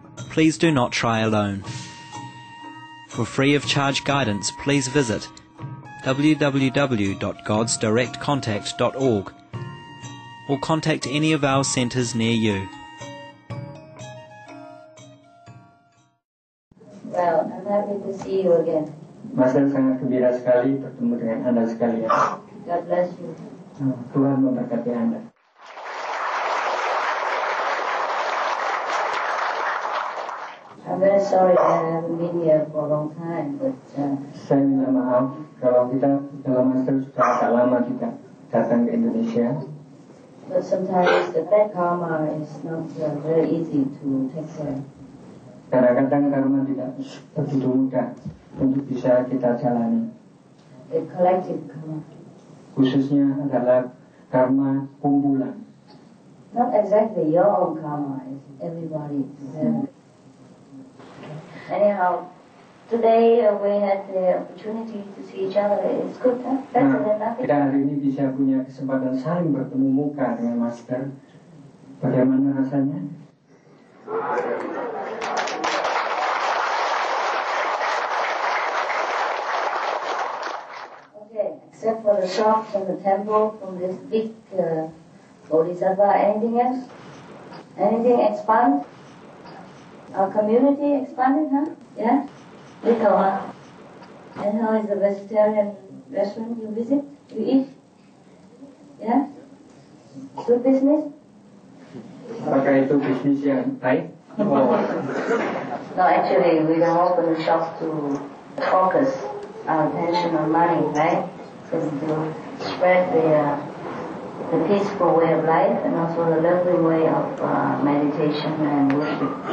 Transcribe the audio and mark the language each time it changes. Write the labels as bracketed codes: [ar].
[en] Please do not try alone. For free of charge guidance, please visit www.godsdirectcontact.org or contact any of our centers near you. Well, I'm happy to see you again. [id] Mas, saya sangat gembira sekali bertemu dengan Anda sekalian. [en] God bless you. [id] Tuhan memberkati Anda. [en] I'm very sorry that I haven't been here for a long time, but... [id] Saya minta maaf kalau kita dalam master sudah agak lama kita datang ke Indonesia. [en] But sometimes the bad karma is not very easy to take care. [id] Kadang-kadang karma tidak begitu mudah untuk bisa kita jalani. [en] The collective karma. [id] Khususnya adalah karma kumpulan. [en] Not exactly your own karma, it's everybody. Anyhow, today we had the opportunity to see each other. It's good, huh? Better than nothing. [id] Kita hari ini bisa punya kesempatan saling bertemu muka dengan Master. Bagaimana rasanya? [en] Okay, except for the shock from the temple, from this big bodhisattva, anything else? Anything expand? Our community expanded, huh? Yeah? Little, huh? And how is the vegetarian restaurant you visit? You eat? Yeah? Good business? [id] Apakah itu bisnis yang baik? [en] No, actually, we don't open the shop to focus our attention on money, right? It's to spread the peaceful way of life and also the lovely way of meditation and worship.